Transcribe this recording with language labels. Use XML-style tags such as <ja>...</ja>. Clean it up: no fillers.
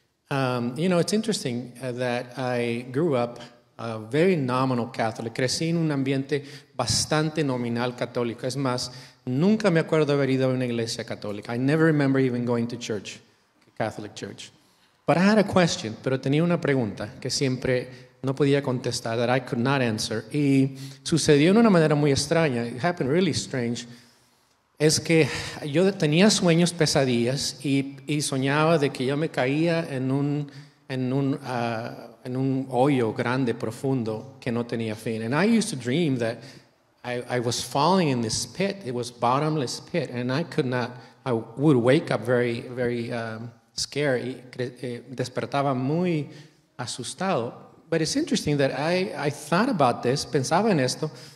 <en>You know, it's interesting that I grew up a very nominal Catholic.</en> <es>Crecí en un ambiente bastante nominal católico. Es más, nunca me acuerdo haber ido a una iglesia católica.</es> <en>I never remember even going to church, Catholic church. But I had a question,</en> <es>pero tenía una pregunta que siempre no podía contestar,</es> <en>that I could not answer.</en> <es>Y sucedió en una manera muy extraña.</es> <en>It happened really strange.</en> <es>Es que yo tenía sueños pesadillas y soñaba de que yo me caía en un hoyo grande, profundo, que no tenía fin.</es> <en>And I used to dream that I was falling in this pit. It was bottomless pit. And I would wake up very, very scared.</en> <es>Y despertaba muy asustado.</es> <en>But it's interesting that I thought about this,</en> <es>pensaba en esto.</es>